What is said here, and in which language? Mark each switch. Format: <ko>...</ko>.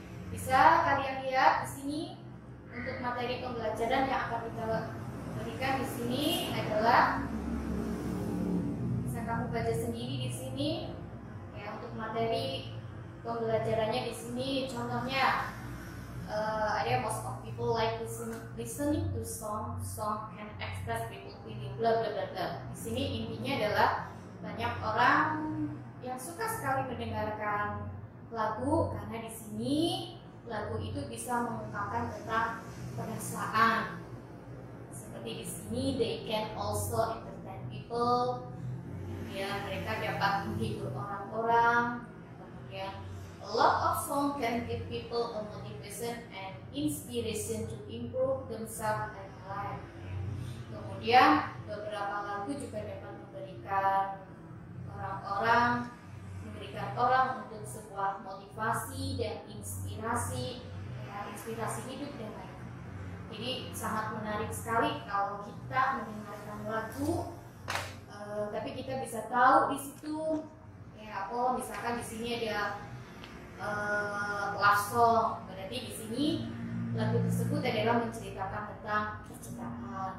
<id>Bisa kalian lihat di sini untuk materi pembelajaran yang akan kita berikan di sini adalah, bisa kamu baca sendiri di sini ya, untuk materi pembelajarannya di sini contohnya ada</id> <en>most of people like listening to song can express people feeling bla bla</en> <id>bla. Di sini intinya adalah banyak orang yang suka sekali mendengarkan lagu karena di sini lagu itu bisa mengungkapkan tentang perasaan. Seperti di sini</id> <en>they can also entertain people.</en> <id>Kemudian mereka dapat menghibur orang-orang. Kemudian</id> <en>a lot of song can give people a motivation and inspiration to improve themselves and life.</en> <id>Kemudian beberapa lagu juga dapat memberikan orang-orang untuk sebuah motivasi dan inspirasi ya, inspirasi hidup dan lain. Jadi sangat menarik sekali kalau kita mendengarkan lagu tapi kita bisa tahu di situ ya, oh misalkan di sini ada love song, berarti di sini lagu tersebut adalah menceritakan tentang percintaan.</id>